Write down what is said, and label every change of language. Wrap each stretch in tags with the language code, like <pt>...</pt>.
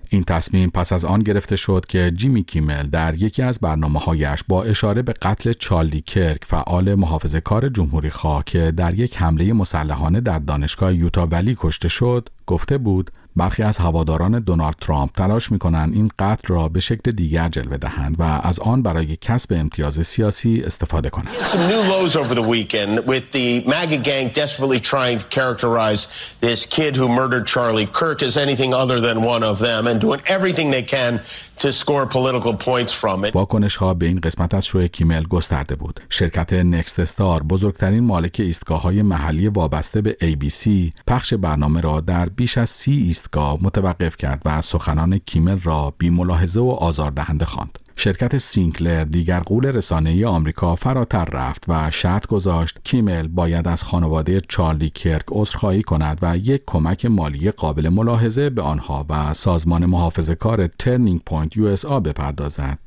<fa>این تصمیم پس از آن گرفته شد که جیمی کیمل در یکی از برنامه‌هایش با اشاره به قتل چارلی کرک، فعال محافظه‌کار جمهوری‌خواه که در یک حمله مسلحانه در دانشگاه یوتا ولی کشته شد، گفته بود برخی از هواداران دونالد ترامپ تلاش می‌کنند این قتل را به شکل دیگر جلوه دهند و از آن برای کسب امتیاز سیاسی استفاده کنند.</fa> <en>Some new lows over the weekend with the MAGA gang desperately trying to characterize this kid who murdered Charlie Kirk as anything other than one of them and doing everything they can to score political points from it.</en> <fa>واکنش‌ها به این قسمت از شو کیمل گسترده بود. شرکت نکست استار، بزرگترین مالک ایستگاه‌های محلی وابسته به ABC، پخش برنامه را در بیش از 30 ایستگاه متوقف کرد و سخنان کیمل را بی ملاحظه و آزاردهنده خواند. شرکت سینکلر، دیگر غول رسانه‌ای آمریکا، فراتر رفت و شرط گذاشت کیمل باید از خانواده چارلی کرک عذرخواهی کند و یک کمک مالی قابل ملاحظه به آنها و سازمان محافظه‌کار ترنینگ پوینت USA بپردازد.</fa>